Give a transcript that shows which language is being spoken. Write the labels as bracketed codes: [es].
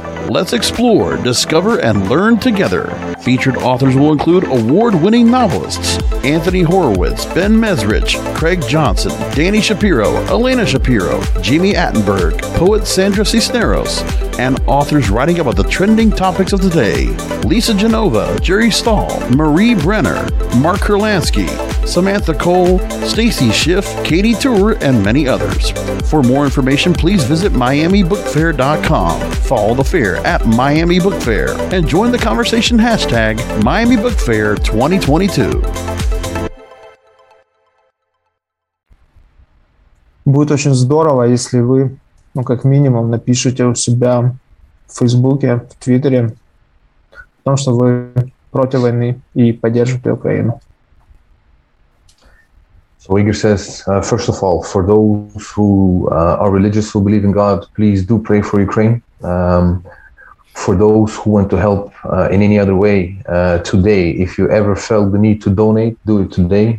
[en] Let's explore, discover, and learn together. Featured authors will include award-winning novelists Anthony Horowitz, Ben Mesrich, Craig Johnson, Danny Shapiro, Elena Shapiro, Jimmy Attenberg, poet Sandra Cisneros, and authors writing about the trending topics of the day: Lisa Genova, Jerry Stahl, Marie Brenner, Mark Kurlansky, Samantha Cole, Stacy Schiff, Katie Tour, and many others. For more information, please visit MiamiBookFair.com. Follow the fair at Miami Book Fair and join the conversation hashtag Miami Book Fair 2022. [ru] Будет очень здорово, если вы, ну, как минимум, напишите у себя в Фейсбуке, в Твиттере о том, что вы против войны и поддерживаете Украину. [en] So Igor says, first of all, for those who are religious, who believe in God, please do pray for Ukraine. For those who want to help in any other way, today, if you ever felt the need to donate, do it today.